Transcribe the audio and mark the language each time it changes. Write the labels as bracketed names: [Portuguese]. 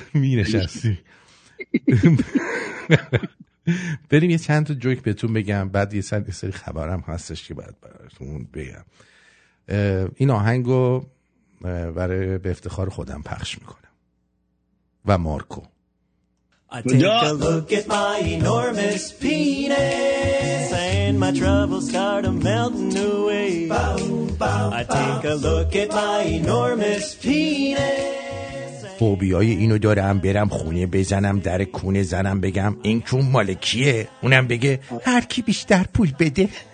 [Persian] می نشستی. بریم یه چند تا جوک بهتون بگم، بعد یه سری خبرم هستش که باید براتون بگم. این آهنگو برای به افتخار خودم پخش میکنم و مارکو. [English] I take a look at my enormous penis and my troubles start a melting away. I take a look at my enormous penis. [Persian] فوبیای اینو دارم برم خونه بزنم در کونه زنم بگم این چون مال کیه، اونم بگه هر کی بیشتر پول بده.